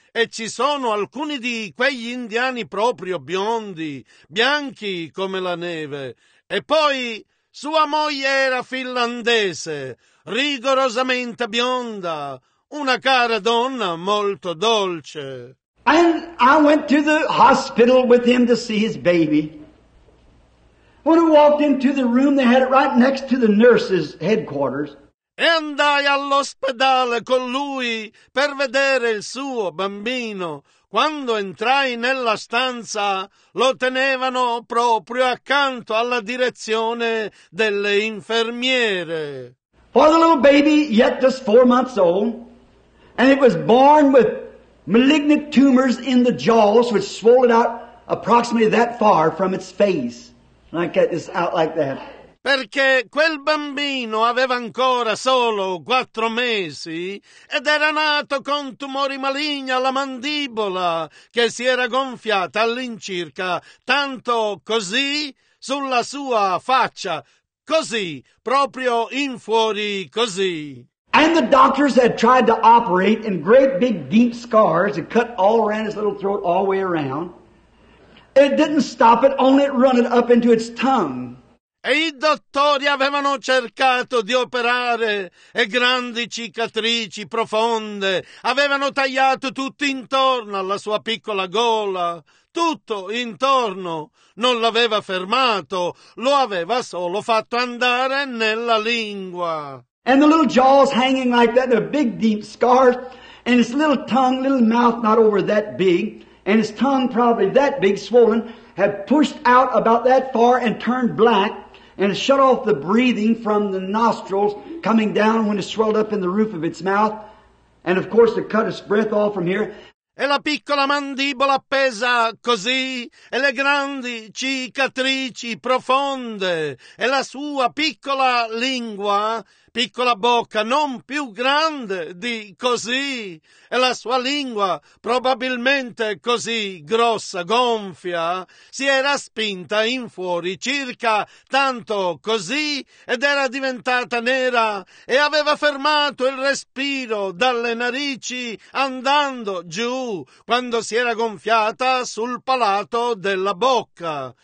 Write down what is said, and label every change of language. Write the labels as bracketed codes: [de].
[it] E ci sono alcuni di quegli indiani proprio biondi, bianchi come la neve. E poi sua moglie era finlandese, rigorosamente bionda, una cara donna molto dolce. [en] And I went to the hospital with him to see his baby. When I walked into the room, they had it right next to the nurse's headquarters. [it] E andai all'ospedale con lui per vedere il suo bambino. Quando entrai nella stanza, lo tenevano proprio accanto alla direzione delle infermiere. [en] For the little baby, yet just 4 months old, and it was born with malignant tumors in the jaws, which swollen out approximately that far from its face. Like that, it's out like that. [it] Perché quel bambino aveva ancora solo 4 mesi ed era nato con tumori maligni alla mandibola che si era gonfiata all'incirca, tanto così sulla sua faccia, così, proprio in fuori, così. [en] And the doctors had tried to operate in great big deep scars and cut all around his little throat all the way around. It didn't stop it, only it run it up into its tongue. [it] E i dottori avevano cercato di operare e grandi cicatrici profonde avevano tagliato tutto intorno alla sua piccola gola, tutto intorno. Non l'aveva fermato, lo aveva solo fatto andare nella lingua. [en] And the little jaws hanging like that, a big deep scar, and his little tongue, little mouth not over that big, and his tongue probably that big swollen, had pushed out about that far and turned black. And it shut off the breathing from the nostrils coming down when it swelled up in the roof of its mouth. And of course it cut its breath off from here. [it] E la piccola mandibola appesa così, e le grandi cicatrici profonde, e la sua piccola lingua, piccola bocca, non più grande di così, e la sua lingua, probabilmente così grossa, gonfia, si era spinta in fuori circa tanto così ed era diventata nera e aveva fermato il respiro dalle narici andando giù quando si era gonfiata sul palato della bocca.